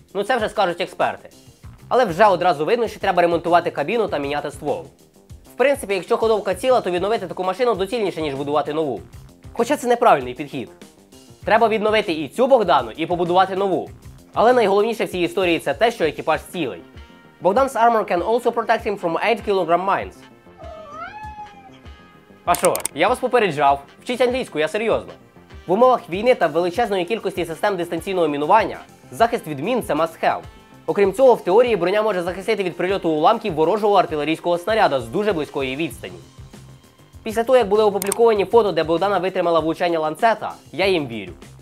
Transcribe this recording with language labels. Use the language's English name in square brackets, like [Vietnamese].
[Ukrainian] Ну це вже скажуть експерти. Але вже одразу видно, що треба ремонтувати кабіну та міняти ствол. В принципі, якщо ходовка ціла, то відновити таку машину доцільніше, ніж будувати нову. Хоча це неправильний підхід. Треба відновити і цю Богдану, і побудувати нову. Але найголовніше в цій історії – це те, що екіпаж цілий. [English] Богдан's armor can also protect him from 8 kg mines. [Ukrainian] А що, я вас попереджав. Вчіть англійську, я серйозно. В умовах війни та величезної кількості систем дистанційного мінування, захист від мін – це must have. Окрім цього, в теорії броня може захистити від прильоту уламків ворожого артилерійського снаряда з дуже близької відстані. Після того, як були опубліковані фото, де Богдана витримала влучання ланцета, я їм вірю.